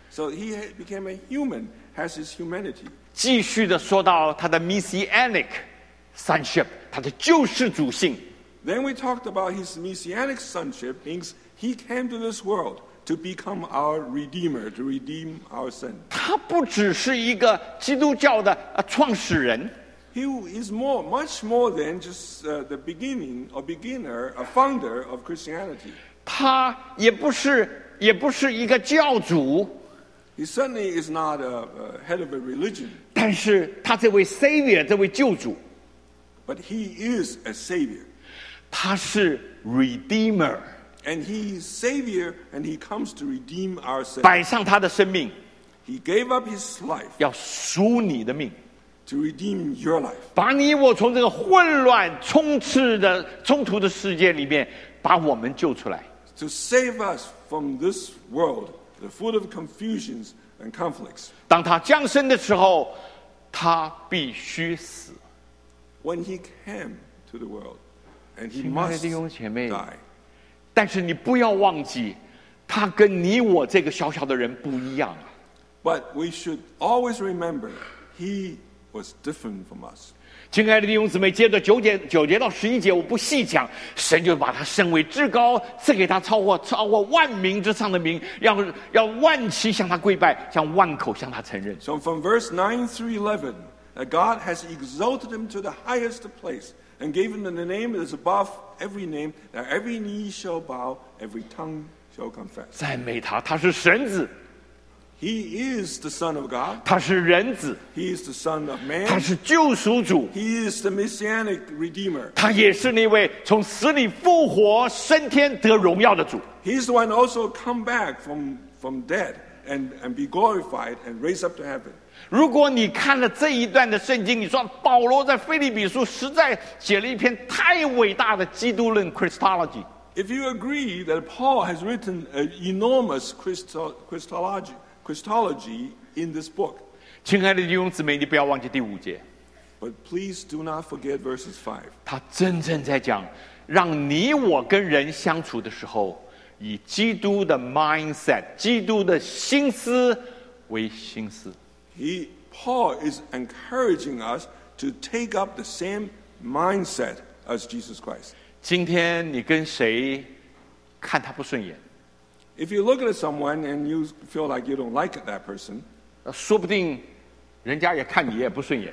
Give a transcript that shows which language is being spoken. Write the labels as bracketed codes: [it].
[en] So he became a human, has his humanity. [zh] 继续的说到他的 [en] messianic sonship, [zh] 他的救世主性。 [en] Then we talked about his messianic sonship, means he came to this world to become our redeemer, to redeem our sin. [zh] 他不只是一个基督教的创始人。 [en] He is much more than just the beginning, a beginner, a founder of Christianity. [zh] 他也不是一个教主。 [en] He certainly is not a head of a religion. [zh] 但是他这位 savior, 这位救主。 [en] But he is a savior. [zh] 他是 redeemer. [en] And he is Savior, and he comes to redeem our sin. [zh] 摆上他的生命, [en] he gave up his life [zh] 要赎你的命, [en] to redeem your life. [zh] 把你我从这个混乱冲突的世界里面把我们救出来。 [en] To save us from this world, the full of confusions and conflicts. [zh] 当他降生的时候, 他必须死。 [en] When he came to the world, and he must die. [zh] 但是你不要忘记, 他跟你我这个小小的人不一样啊。 [en] But we should always remember he was different from us. [zh] 亲爱的弟兄姊妹，接着九节到十一节，我不细讲，神就把他升为至高，赐给他超过万民之上的名，要万妻向他跪拜，向万口向他承认。 [en] So from verse 9 through 11, that God has exalted him to the highest place and gave him the name that is above every name, that every knee shall bow, every tongue shall confess. [zh] 赞美他，他是神子。 [en] He is the Son of God. [zh] 他是人子。 [en] He is the Son of Man. [zh] 他是救赎主。 [en] He is the Messianic Redeemer. [zh] 他也是那位从死里复活、升天得荣耀的主。 [en] He is the one also come back from dead and be glorified and raised up to heaven. [zh] 如果你看了这一段的圣经，你说保罗在腓立比书实在写了一篇太伟大的基督论 Christology。 [en] If you agree that Paul has written an enormous Christology. Christology in this book. [zh] 亲爱的弟兄姊妹，你不要忘记第五节。 [en] But please do not forget verses 5. [zh] 他真正在讲，让你我跟人相处的时候，以基督的 mindset, 基督的心思为心思。 [en] Paul is encouraging us to take up the same mindset as Jesus Christ. [zh] 今天你跟谁看他不顺眼？ [en] If you look at someone and you feel like you don't like that person, [zh] 说不定人家也看你也不顺眼。